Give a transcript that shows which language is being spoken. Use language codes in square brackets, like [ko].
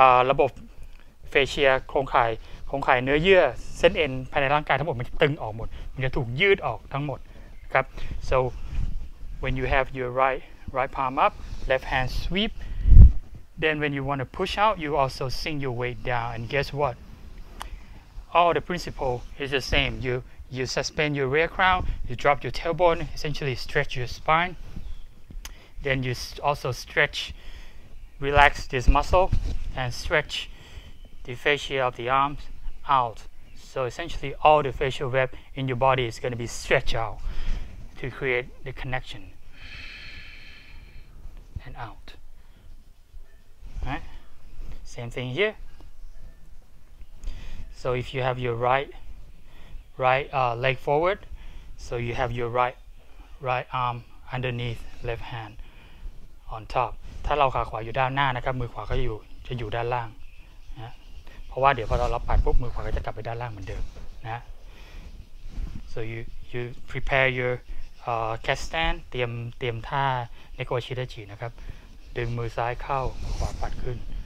[th] ระบบเฟเชียโครงข่ายเนื้อเยื่อเส้นเอ็นภายในร่างกายทั้งหมดมันจะตึงออกหมดมันจะถูกยืดออกทั้งหมดครับ [en] so when you have your right palm up left hand sweepThen when you want to push out, you also sink your weight down. And guess what? All the principle is the same. You suspend your rear crown, you drop your tailbone, essentially stretch your spine. Then you also stretch, relax this muscle, and stretch the fascia of the arms out. So essentially all the facial web in your body is going to be stretched out to create the connection and out. Right. Same thing here. So if you have your right leg forward, so you have your right arm underneath left hand on top. [th] ถ้าเราขาขวาอยู่ด้านหน้านะครับมือขวาก็จะอยู่ด้านล่างนะเพราะว่าเดี๋ยวพอเราปัดปุ๊บมือขวาก็จะกลับไปด้านล่างเหมือนเดิมนะ [en] So you prepare your cat stand [th] เตรียมท่าในโกชิดาจินะครับดึงมือซ้ายเข้าขวาปัดขึ้น